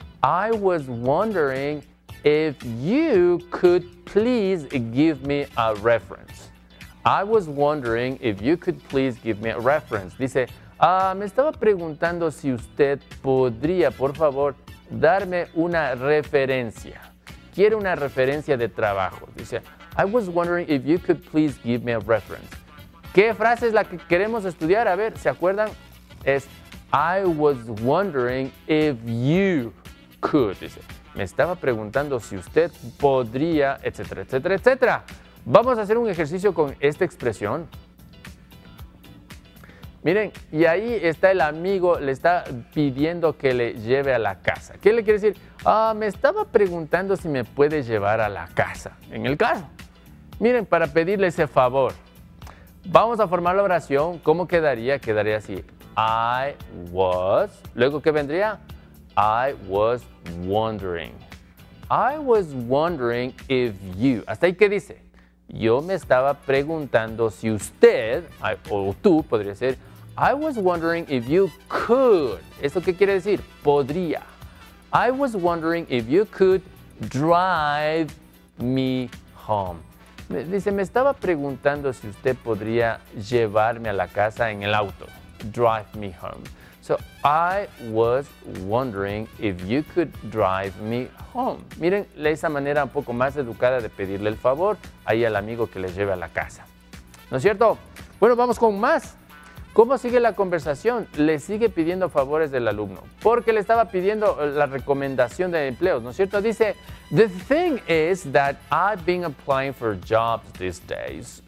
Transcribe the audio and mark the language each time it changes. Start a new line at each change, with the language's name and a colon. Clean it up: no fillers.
English: I was wondering if you could please give me a reference. I was wondering if you could please give me a reference.
Spanish: Dice, me estaba preguntando si usted podría, por favor, darme una referencia. Quiero una referencia de trabajo. Dice,
English: I was wondering if you could please give me a reference.
Spanish: ¿Qué frase es la que queremos estudiar? A ver, ¿se acuerdan? Es,
English: I was wondering if you could.
Spanish: Dice, me estaba preguntando si usted podría, etcétera, etcétera, etcétera. Vamos a hacer un ejercicio con esta expresión. Miren, y ahí está el amigo, le está pidiendo que le lleve a la casa. ¿Qué le quiere decir? Ah, me estaba preguntando si me puede llevar a la casa. En el caso. Miren, para pedirle ese favor. Vamos a formar la oración. ¿Cómo quedaría? Quedaría así.
English: I was.
Spanish: ¿Luego qué vendría?
English: I was wondering. I was wondering if you.
Spanish: ¿Hasta ahí qué dice? Yo me estaba preguntando si usted, o tú podría ser.
English: I was wondering if you could.
Spanish: ¿Esto qué quiere decir? Podría.
English: I was wondering if you could drive me home.
Spanish: Dice, me estaba preguntando si usted podría llevarme a la casa en el auto.
English: Drive me home. So, I was wondering if you could drive me home.
Spanish: Miren, esa manera un poco más educada de pedirle el favor ahí al amigo que le lleve a la casa. ¿No es cierto? Bueno, vamos con más. ¿Cómo sigue la conversación? Le sigue pidiendo favores del alumno. Porque le estaba pidiendo la recomendación de empleos, ¿no es cierto? Dice,
English: the thing is that I've been applying for jobs these days.